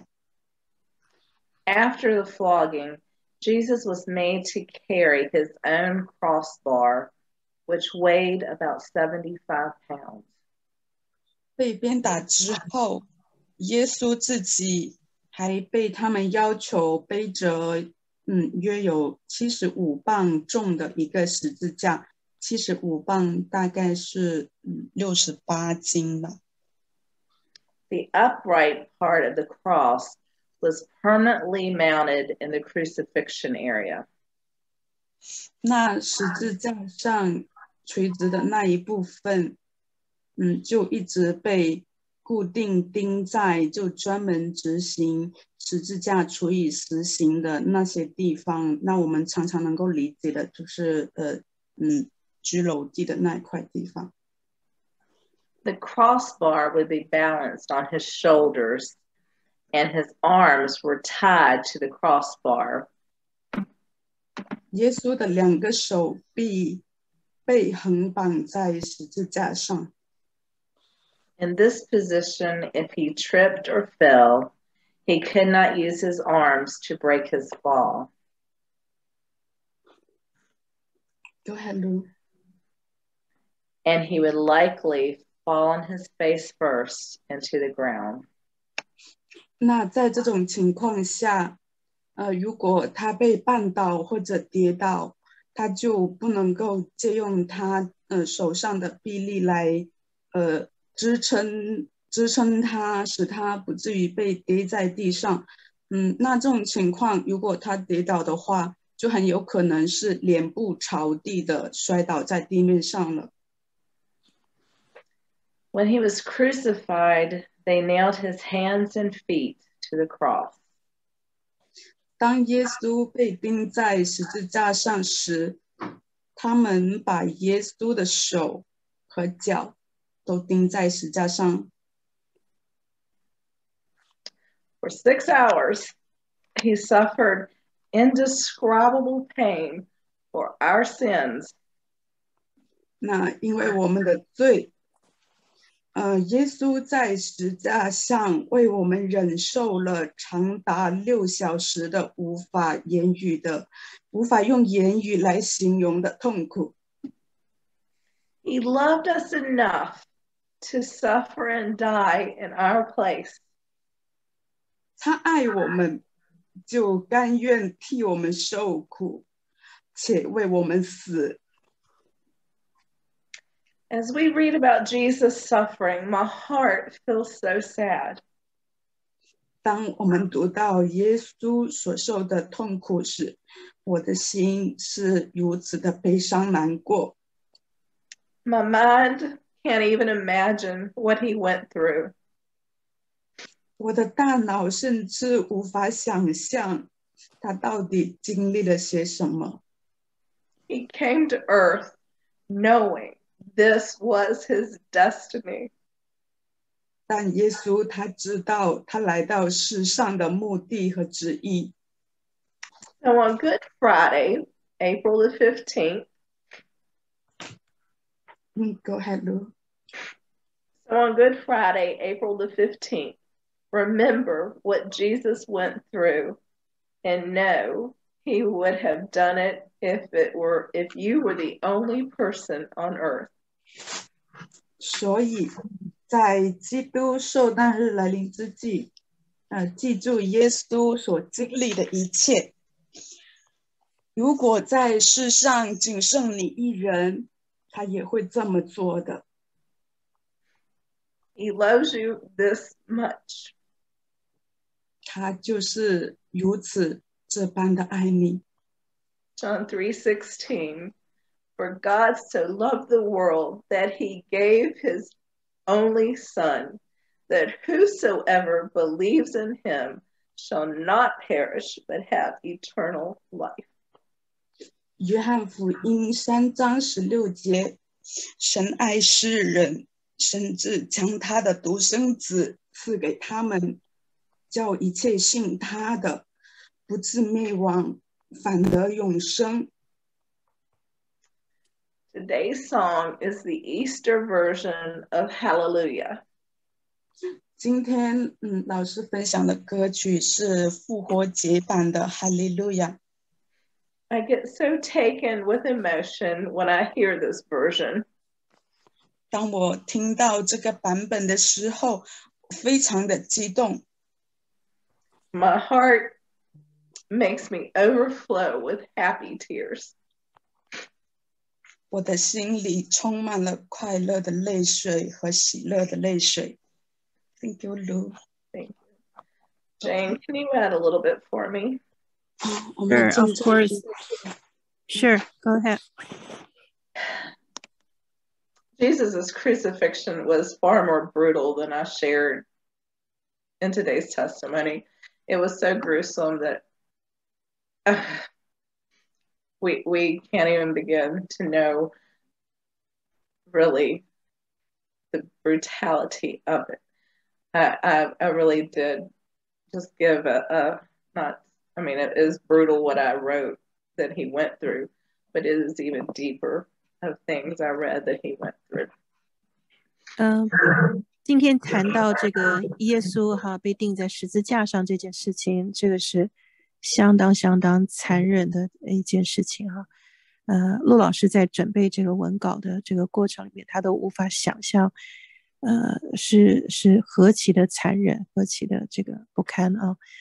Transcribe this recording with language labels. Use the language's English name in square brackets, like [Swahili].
[Chinese] 鞭子的尾部末端都是小铁球和玻璃碎片的钩状所做成的。每鞭打一次，鞭子的尾部都会把皮肉一起剥下来。 [English] After the flogging, Jesus was made to carry his own crossbar, which weighed about 75 pounds. [Chinese] 被鞭打之后，耶稣自己还被他们要求背着约有75磅重的一个十字架，75磅大概是68斤吧。 [English] The upright part of the cross was permanently mounted in the crucifixion area. [Chinese] 那十字架上垂直的那一部分就一直被固定钉在就专门执行十字架处以死刑的那些地方，那我们常常能够理解的就是拘楼地的那一块地方。 [English] The crossbar would be balanced on his shoulders, and his arms were tied to the crossbar. [Chinese] 耶稣的两个手臂被横绑在十字架上。 [English] In this position, if he tripped or fell, he could not use his arms to break his fall. Go ahead, Lou. And he would likely fall on his face first into the ground. [Chinese] 那在这种情况下，如果他被绊倒或者跌倒，他就不能够借用他手上的臂力来支撑他，使他不至于被跌在地上。那这种情况，如果他跌倒的话，就很有可能是脸部朝地的摔倒在地面上了。 [English] When he was crucified, they nailed his hands and feet to the cross. [Chinese] 当耶稣被钉在十字架上时，他们把耶稣的手和脚都钉在十字架上。 [English] For 6 hours, he suffered indescribable pain for our sins. [Chinese] 那因为我们的罪，耶稣在十字架上为我们忍受了长达6小时的无法用言语来形容的痛苦。 [English] He loved us enough to suffer and die in our place. [Chinese] 他爱我们，就甘愿替我们受苦，且为我们死。 [English] As we read about Jesus suffering, my heart feels so sad. [Chinese] 当我们读到耶稣所受的痛苦时，我的心是如此的悲伤难过。 [English] My mind can't even imagine what he went through. [Chinese] 我的大脑甚至无法想象他到底经历了些什么。 [English] He came to earth knowing this was his destiny. [Chinese] 但耶稣他知道他来到世上的目的和旨意。 [English] So on Good Friday, April the 15th, Go ahead, Lou. So on Good Friday, April the 15th, remember what Jesus went through and know he would have done it if you were the only person on earth. [Chinese] 所以在基督受难日来临之际，记住耶稣所经历的一切。如果在世上仅剩你一人，他也会这么做的。 [English] He loves you this much. [Chinese] 他就是如此这般的爱你。 [English] John 3:16, For God so loved the world that he gave his only son, that whosoever believes in him shall not perish but have eternal life. [Chinese] 约翰福音3:16，神爱世人，甚至将他的独生子赐给他们，叫一切信他的不至灭亡，反得永生。 [English] Today's song is the Easter version of Hallelujah. [Chinese] 今天老师分享的歌曲是复活节版的 Hallelujah。 [English] I get so taken with emotion when I hear this version. [Chinese] 当我听到这个版本的时候，非常的激动。 [English] My heart makes me overflow with happy tears. [Chinese] 我的心里充满了快乐的泪水和喜乐的泪水。 [English] Thank you, Lou. Thank you. Jane, can you add a little bit for me? Sure, of course. Sure, go ahead. Jesus' crucifixion was far more brutal than I shared in today's testimony. It was so gruesome that we can't even begin to know really the brutality of it. I really did just give it is brutal what I wrote that he went through, but it is even deeper of things I read that he went through. [Chinese] 今天谈到这个耶稣哈被钉在十字架上这件事情，这个是相当相当残忍的一件事情哈。陆老师在准备这个文稿的这个过程里面，他都无法想象，是何其的残忍，何其的这个不堪啊！